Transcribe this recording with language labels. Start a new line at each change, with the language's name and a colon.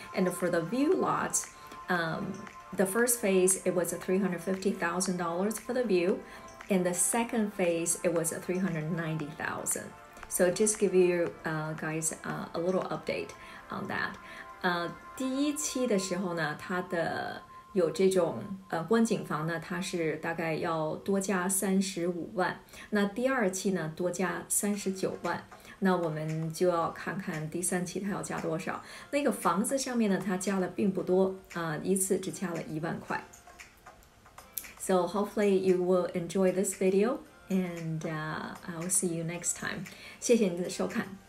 English: And for the view lots, the first phase it was $350,000 for the view, and the second phase it was $390,000. So just give you guys a little update on that.
Chinese: 第一期的时候呢，它的有这种观景房呢，它是大概要多加35万，那第二期呢多加39万，那我们就要看看第三期它要加多少。那个房子上面呢它加了并不多，一次只加了10000块。
English: So hopefully you will enjoy this video and I'll see you next time.
Chinese: 谢谢您的收看。